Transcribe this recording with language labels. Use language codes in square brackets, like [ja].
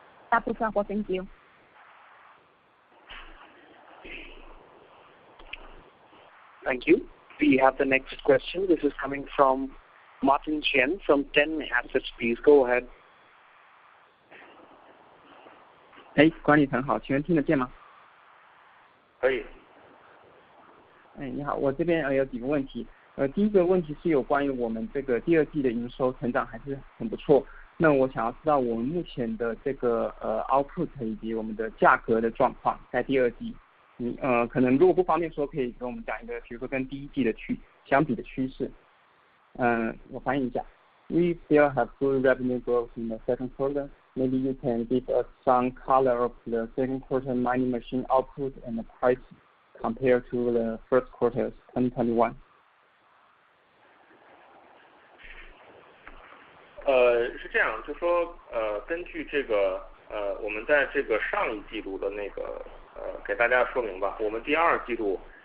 [en] That was helpful, thank you. Thank you. We have the next question. This is coming from Martin Chen from 10 Assets. Please go ahead. [zh] 哎，管理层好，请问听得见吗？可以。哎，你好，我这边有几个问题。第一个问题是有关于我们这个第二季的营收成长还是很不错。那我想要知道我们目前的这个output 以及我们的价格的状况在第二季。可能如果不方便说，可以跟我们讲一个，比如说跟第一季的相比的趋势。我翻译一下。 [en] We still have good revenue growth in the second quarter. Maybe you can give us some color of the second quarter mining machine output and the price compared to the first quarter 2021. [zh] 是这样，就说根据这个我们在这个上一季度的那个给大家说明吧，我们第二季度